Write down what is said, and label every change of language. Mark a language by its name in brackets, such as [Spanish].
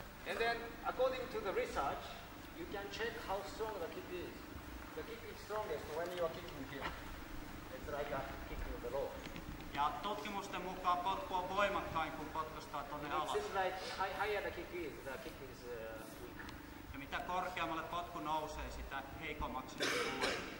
[English] And then, according to the research, you can check how strong the kick is. The kick is strongest when you are kicking here. It's like a kicking the low. [Finnish] Ja tutkimusten mukaan potku on voimakkain, kun potkastaa tuonne alas. [English] It's like higher the kick is weak. [Finnish] Ja mitä korkeammalle potku nousee, sitä heikommaksi tulee.